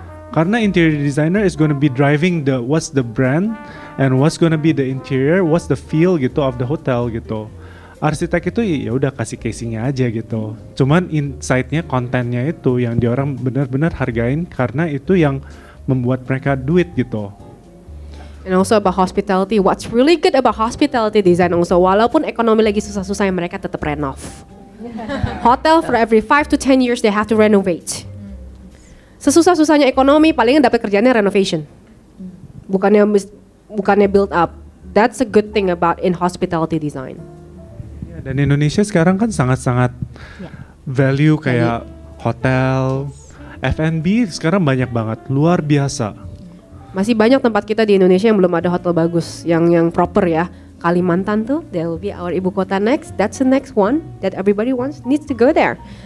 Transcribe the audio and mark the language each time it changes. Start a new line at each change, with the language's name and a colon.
English: Karena interior designer is gonna be driving the what's the brand and what's gonna be the interior, what's the feel
Indonesian: gitu
English: of the hotel gitu.
Indonesian: Arsitek itu ya udah kasih casingnya aja gitu. Cuman insightnya, kontennya itu yang diorang benar-benar hargain karena itu yang membuat mereka duit gitu.
English: And also about hospitality, what's really good about hospitality design also,
Indonesian: walaupun ekonomi lagi susah-susah, yang mereka tetap renov.
English: Hotel for every 5 to 10 years they have to renovate.
Indonesian: Sesusah-susahnya ekonomi, palingan dapat kerjanya
English: renovation.
Indonesian: Bukannya
English: build up. That's a good thing about in hospitality design.
Indonesian: Dan Indonesia sekarang kan sangat-sangat value kayak hotel, F&B sekarang banyak banget, luar biasa. Masih banyak tempat kita di Indonesia yang belum ada hotel bagus, yang proper ya.
English: Kalimantan
Indonesian: tuh,
English: there will be our
Indonesian: ibu kota
English: next, that's the next one that everybody wants, needs to go there.